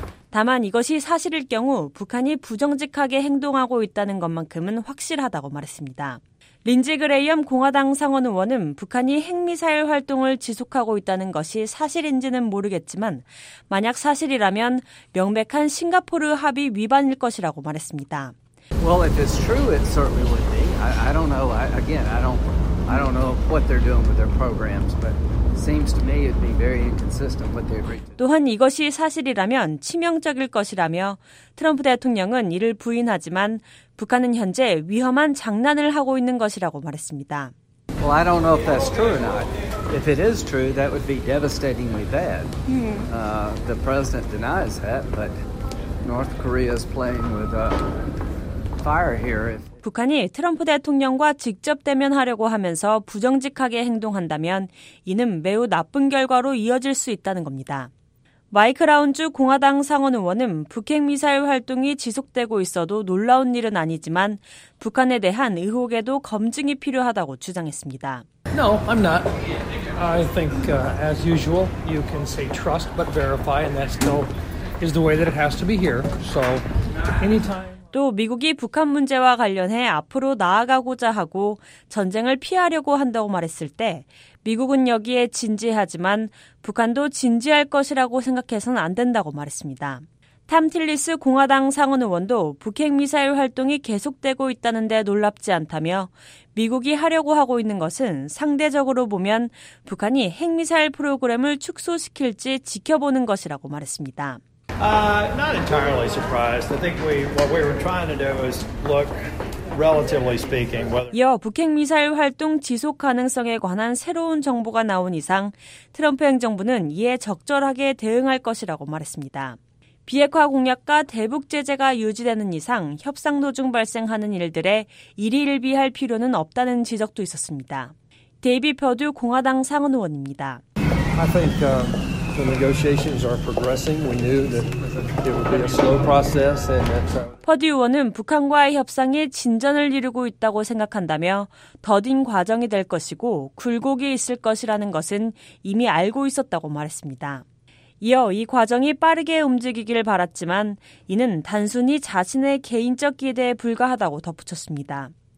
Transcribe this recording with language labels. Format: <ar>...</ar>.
<ko>다만 이것이 사실일 경우 북한이 부정직하게 행동하고 있다는 것만큼은 확실하다고 말했습니다. 린지 그레이엄 공화당 상원 의원은 북한이 핵미사일 활동을 지속하고 있다는 것이 사실인지는 모르겠지만 만약 사실이라면 명백한 싱가포르 합의 위반일 것이라고 말했습니다.</ko> <en>Well, if it's true, it certainly would be. I don't know what they're doing with their programs, but seems to me it'd be very inconsistent what they agreed to.</en> <ko>또한 이것이 사실이라면 치명적일 것이라며 트럼프 대통령은 이를 부인하지만 북한은 현재 위험한 장난을 하고 있는 것이라고 말했습니다.</ko> <en>Well, I don't know if that's true or not. If it is true, that would be devastatingly bad. The president denies that, but North Korea's playing with fire here.</en> <ko>북한이 트럼프 대통령과 직접 대면하려고 하면서 부정직하게 행동한다면 이는 매우 나쁜 결과로 이어질 수 있다는 겁니다. 마이크 라운즈 공화당 상원 의원은 북핵미사일 활동이 지속되고 있어도 놀라운 일은 아니지만 북한에 대한 의혹에도 검증이 필요하다고 주장했습니다.</ko> <en>No, I'm not. I think as usual, you can say trust but verify and that still is the way that it has to be here. So anytime</en> <ko>또 미국이 북한 문제와 관련해 앞으로 나아가고자 하고 전쟁을 피하려고 한다고 말했을 때 미국은 여기에 진지하지만 북한도 진지할 것이라고 생각해서는 안 된다고 말했습니다. 탐 틸리스 공화당 상원 의원도 북핵미사일 활동이 계속되고 있다는 데 놀랍지 않다며 미국이 하려고 하고 있는 것은 상대적으로 보면 북한이 핵미사일 프로그램을 축소시킬지 지켜보는 것이라고 말했습니다.</ko> <en>Not entirely surprised. I think what we were trying to do is look, relatively speaking.</en> <ko>이어 북핵 미사일 활동 지속 가능성에 관한 새로운 정보가 나온 이상 트럼프 행정부는 이에 적절하게 대응할 것이라고 말했습니다. 비핵화 공약과 대북 제재가 유지되는 이상 협상 도중 발생하는 일들에 일희일비할 필요는 없다는 지적도 있었습니다. 데이비 퍼듀 공화당 상원 의원입니다.</ko> <en>I think. The negotiations are progressing. We knew that it would be a slow process.</en> <ko>퍼듀 의원은 북한과의 협상이 진전을 이루고 있다고 생각한다며 더딘 과정이 될 것이고 굴곡이 있을 것이라는 것은 이미 알고 있었다고 말했습니다. 이어 이 과정이 빠르게 움직이길 바랐지만 이는 단순히 자신의 개인적 기대에 불과하다고 덧붙였습니다.</ko>